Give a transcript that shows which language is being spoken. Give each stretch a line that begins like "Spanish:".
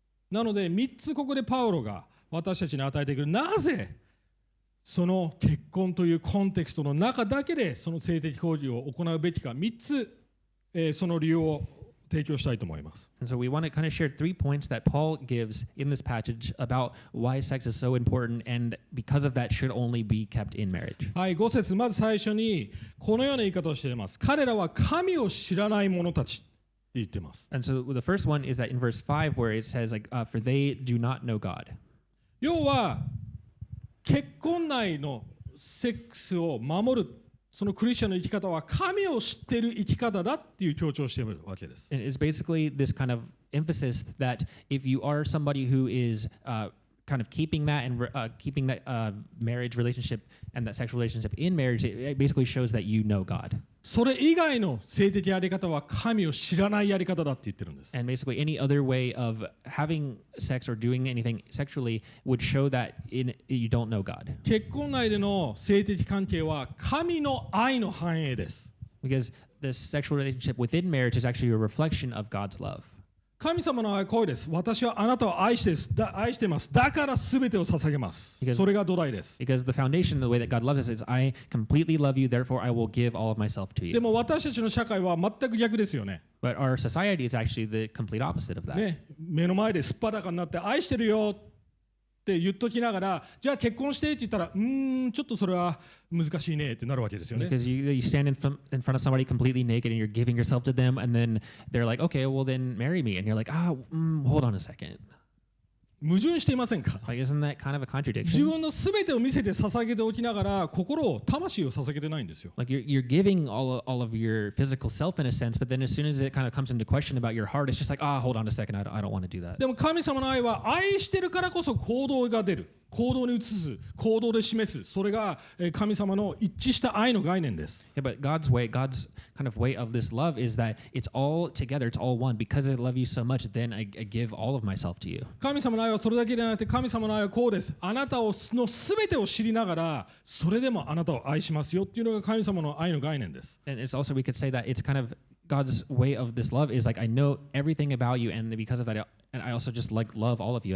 Japanese: なので3つここでパウロが私たちに与えてくる。なぜその結婚というコンテクストの中だけでその性的行為を行うべきか、3つ、その理由を提供したいと思います。
English: And so we want to kind of share three points that Paul gives in this passage about why sex is so important and because of that should only be kept in marriage.
Japanese: はい、5節、まず最初にこのような言い方をしています。彼らは神を知らない者たち。って言ってます。
English: And so the first one is that in verse 5 where it says like, for they do not know God.
Japanese: 要は結婚内のセックスを守るそのクリスチャンの生き方は神を知ってる生き方だっていう強調しているわけです。
English: And it's basically this kind of emphasis that if you are somebody who is kind of keeping that and keeping that marriage relationship and that sexual relationship in marriage, it basically shows that you know God.
Japanese: それ以外の性的やり方は神を知らないやり方だって言ってるんです。
English: And basically any other way of having sex or doing anything sexually would show that you don't know God.
Japanese: 結婚内での性的関係は神の愛の反映です。
English: Because the sexual relationship within marriage is actually a reflection of God's love.
Japanese: 神様の愛はこうです。私はあなたを愛してます。愛してます。だから全てを捧げます。
English: Because,
Japanese: それが土台です。
English: Because the foundation, the way that God loves us is I completely love you, therefore I will give all of myself to you.
Japanese: でも私たちの社会は全く逆ですよね。
English: But our society is actually the complete opposite of that.
Japanese: ね、目の前ですっぱだかになって愛してるよって言っときながら、じゃあ結婚してって言ったら、ちょっとそれは難しいねってなるわけですよね。
English: Because you stand in front of somebody completely naked and you're giving yourself to them, and then they're like, okay, well then marry me, and you're like, hold on a second.
Japanese: 矛盾していませんか?
English: Like, isn't that kind of a contradiction?
Japanese: 自分のすべてを見せて捧げておきながら、心を魂を捧げてないんですよ。
English: Like you're giving all of your physical self in a sense, but then as soon as it kind of comes into question about your heart, it's just like, hold on a second, I don't want to do that.
Japanese: でも神様の愛は愛してるからこそ行動が出る。行動に移す、行動で示す、それが神様の一致した愛の概念です。
English: Yeah, but God's way, God's kind of way of this love is that it's all together, it's all one. Because I love you so much, then I give all of myself to you.
Japanese: 神様の愛はそれだけではなくて、神様の愛はこうです。あなたのすべてを知りながら、それでもあなたを愛しますよっていうのが神様の愛の概念です。
English: And it's also, we could say that it's kind of God's way of this love is like, I know everything about you, and because of that, and I also just like love all of you.